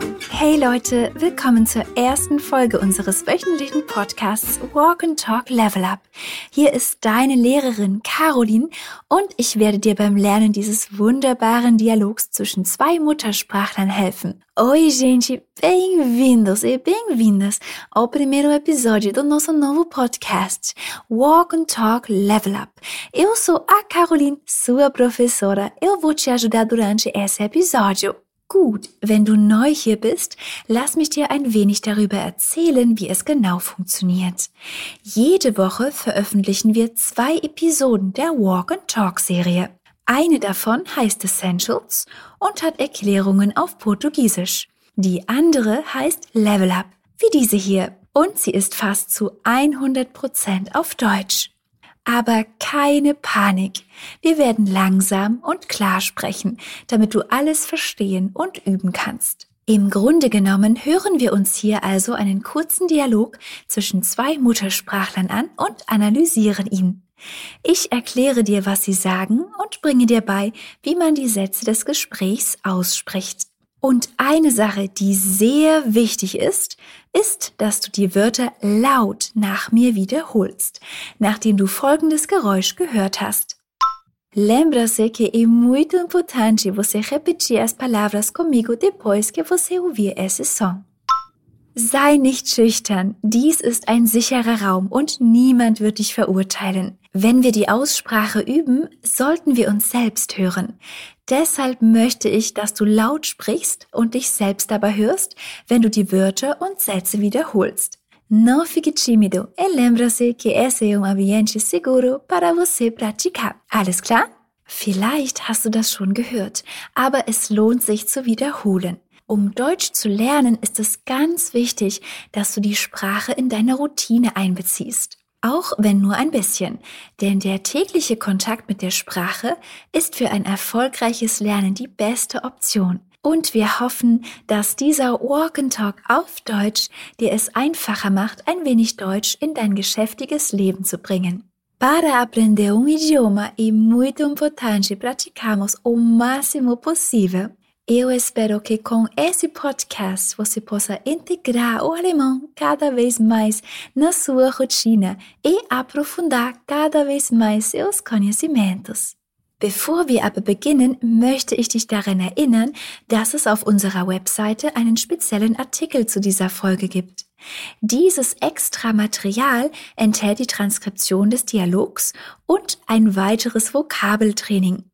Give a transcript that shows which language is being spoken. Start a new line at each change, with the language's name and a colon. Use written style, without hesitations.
German: Hey Leute, willkommen zur ersten Folge unseres wöchentlichen Podcasts Walk and Talk Level Up. Hier ist deine Lehrerin Caroline und ich werde dir beim Lernen dieses wunderbaren Dialogs zwischen zwei Muttersprachlern helfen.
Portuguese: Oi gente, bem-vindos e bem-vindas ao primeiro episódio do nosso novo podcast, Walk and Talk Level Up. Eu sou a Caroline, sua professora. Eu vou te ajudar durante esse episódio.
German: Gut, wenn du neu hier bist, lass mich dir ein wenig darüber erzählen, wie es genau funktioniert. Jede Woche veröffentlichen wir zwei Episoden der Walk and Talk Serie. Eine davon heißt Essentials und hat Erklärungen auf Portugiesisch. Die andere heißt Level Up, wie diese hier, und sie ist fast zu 100% auf Deutsch. Aber keine Panik, wir werden langsam und klar sprechen, damit du alles verstehen und üben kannst. Im Grunde genommen hören wir uns hier also einen kurzen Dialog zwischen zwei Muttersprachlern an und analysieren ihn. Ich erkläre dir, was sie sagen und bringe dir bei, wie man die Sätze des Gesprächs ausspricht. Und eine Sache, die sehr wichtig ist, ist, dass du die Wörter laut nach mir wiederholst, nachdem du folgendes Geräusch gehört hast.
Portuguese: Lembra-se que é muito importante você repetir as palavras comigo depois que você ouvir esse som.
German: Sei nicht schüchtern, dies ist ein sicherer Raum und niemand wird dich verurteilen. Wenn wir die Aussprache üben, sollten wir uns selbst hören. Deshalb möchte ich, dass du laut sprichst und dich selbst dabei hörst, wenn du die Wörter und Sätze wiederholst.
Portuguese: Não fique tímido e lembra-se que esse é ambiente seguro para você praticar.
German: Alles klar? Vielleicht hast du das schon gehört, aber es lohnt sich zu wiederholen. Um Deutsch zu lernen, ist es ganz wichtig, dass du die Sprache in deine Routine einbeziehst. Auch wenn nur ein bisschen, denn der tägliche Kontakt mit der Sprache ist für ein erfolgreiches Lernen die beste Option. Und wir hoffen, dass dieser Walk and Talk auf Deutsch dir es einfacher macht, ein wenig Deutsch in dein geschäftiges Leben zu bringen.
Portuguese: Para aprender idioma é muito importante praticarmos o máximo possível. Eu espero que com esse podcast você possa integrar o alemão cada vez mais na sua rotina e aprofundar cada vez mais seus conhecimentos.
German: Bevor wir aber beginnen, möchte ich dich daran erinnern, dass es auf unserer Webseite einen speziellen Artikel zu dieser Folge gibt. Dieses extra Material enthält die Transkription des Dialogs und ein weiteres Vokabeltraining.